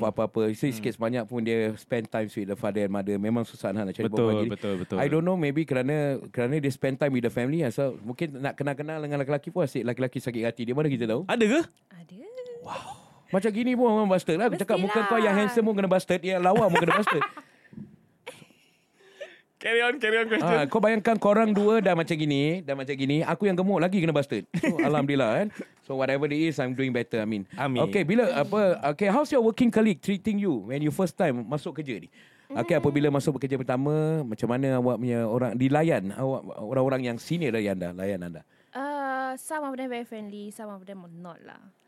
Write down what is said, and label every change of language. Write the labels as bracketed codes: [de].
[ms] Apa-apa sikit sebanyak pun dia [en] spend time with the father and mother. [ms] Memang susah nak cari betul. [en] I don't know, maybe [ms] kerana dia [en] spend time with the family. [ms] So mungkin nak kenal-kenal dengan lelaki pun, asyik lelaki sakit hati dia, mana kita tahu. Ada ke? Ada. Wow. Macam gini pun orang bastard lah. Aku cakap muka kau yang handsome pun kena bastard, yang lawa pun kena bastard. [en] Carry on question. [ms] Kau bayangkan korang dua dah macam gini, aku yang gemuk lagi kena bastard. So, alhamdulillah kan. [en] So whatever it is, I'm doing better. I mean. Okay, [ms] bila apa? [en] Okay, how's your working colleague treating you when you first time [ms] masuk kerja ni? Okay, apabila masuk kerja pertama, macam mana awak punya orang dilayan? Awak orang-orang yang senior dari anda, layan anda? [en] Some of them very friendly, some of them not lah.